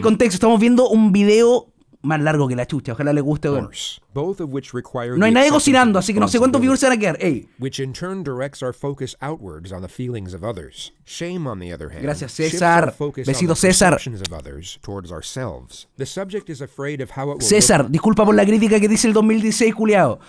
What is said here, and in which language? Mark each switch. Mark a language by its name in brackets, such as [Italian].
[Spanish] contexto, estamos viendo un video más largo que la chucha. Ojalá le guste, weón. [English] Both of which require [Spanish] no hay nadie cocinando, así que no sé cuántos viewers se van a quedar. Hey. [English] Which in turn directs our focus outwards on the feelings of others. Shame, on the other hand. [Spanish] Gracias, César. Besito, César. [English] Of others towards ourselves. The subject is afraid of how it will. César, look. [Spanish] Disculpa por la crítica que dice el 2016, culiao.